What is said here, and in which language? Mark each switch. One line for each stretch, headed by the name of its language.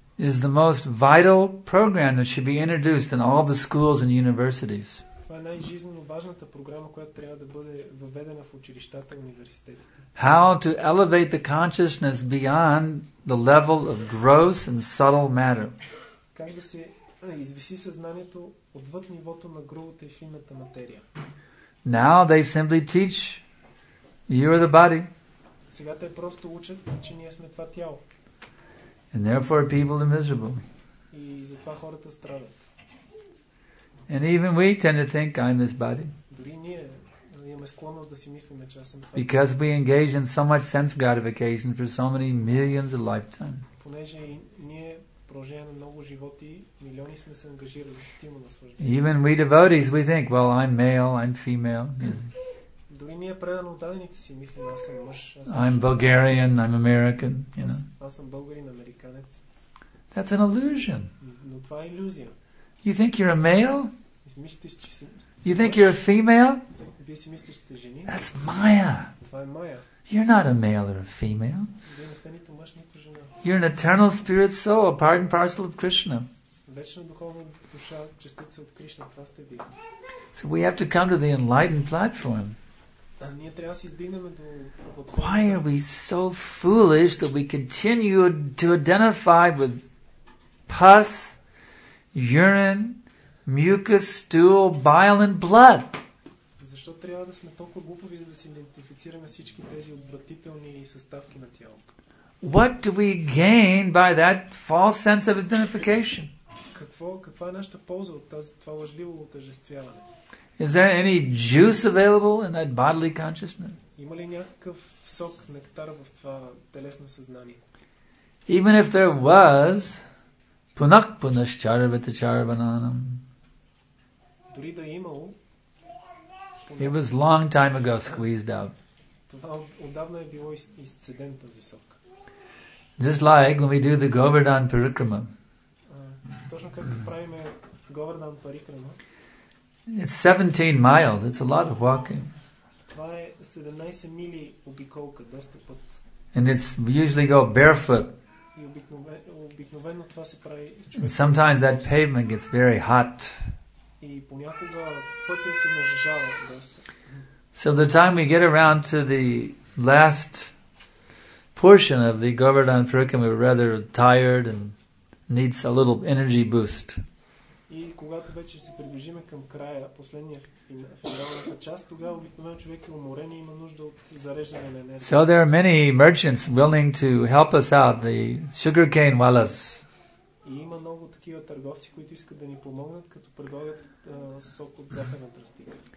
English: is the most vital program that should be introduced in all the schools and universities.
Bulgarian: Това е най-жизнено важната програма, която трябва да бъде въведена в училищата и университетите.
English: How to elevate the consciousness beyond the level of gross and subtle matter.
Bulgarian: Как да се извиси съзнанието отвъд нивото на грубата и финната материя.
English: Now they simply teach you are the body.
Bulgarian: Сега те просто учат, че ние сме това тяло.
English: And therefore people are miserable.
Bulgarian: И затова хората страдат.
English: And even we tend to think I'm this body.
Bulgarian: Дори ние имаме склонност да си мислиме, че аз съм това.
English: Because we engage in so much sense gratification for so many millions of lifetimes.
Bulgarian: Понеже ние продължение на много животи, милиони сме се ангажирали с тима на служба.
English: Even we devotees, we think, well, I'm male, I'm female.
Bulgarian: Дори ние предано отдадените си мислим, аз съм мъж.
English: I'm Bulgarian, I'm American, you know.
Bulgarian: Аз съм българин, американец.
English: That's an illusion.
Bulgarian: Но това е иллюзия.
English: You think you're a male?
Bulgarian: Мислиш, че си.
English: You think you're a female?
Bulgarian: Вие си мислиш, че жени?
English: That's Maya.
Bulgarian: Това е Maya.
English: You're not a male or a female.
Bulgarian: Вие не сте нито мъж, нито жена.
English: You're an eternal spirit soul, a part and parcel of Krishna.
Bulgarian: Вечна духовна душа, частица от Кришна, това сте вие.
English: So we have to come to the enlightened platform.
Bulgarian: Ние трябва да се издигнем до.
English: Why are we so foolish that we continue to identify with pus, urine, mucus, stool, bile and blood?
Bulgarian: Защо трябва да сме толкова глупави, за да се идентифицираме всички тези отвратителни съставки на тялото?
English: What do we gain by that false sense of identification?
Bulgarian: Каква е нашата полза от това лъжливо отъждествяване?
English: Is there any juice available in that bodily consciousness?
Bulgarian: Има ли някакъв сок, нектар в това телесно съзнание?
English: Even if there was,
Sanskrit: punak punashcharvata charvananam.
Bulgarian: Дори да имало,
English: it was long time ago squeezed out.
Bulgarian: Това отдавна е било изцеден този сок.
English: Just like when we do the Govardhan Parikrama.
Bulgarian: Точно както правиме Govardhan Parikrama.
English: It's 17 miles. It's a lot of walking.
Bulgarian: Това е 17 мили обиколка, доста път.
English: And it's we usually go barefoot.
Bulgarian: И обикновено това се прави.
English: And sometimes that pavement gets very hot.
Bulgarian: И понякога пътя се нажежава доста.
English: So the time we get around to the last portion of the Govardhan Parikrama, we're rather tired and needs a little energy boost.
Bulgarian: И когато вече се приближиме към края, последния финалната част, тогава обикновено човек е уморен и има нужда от зареждане на енергия.
English: So there are many merchants willing to help us out, the sugarcane wallahs.
Bulgarian: И има много такива търговци, които искат да ни помогнат, като предлагат сок от захарна тръстика.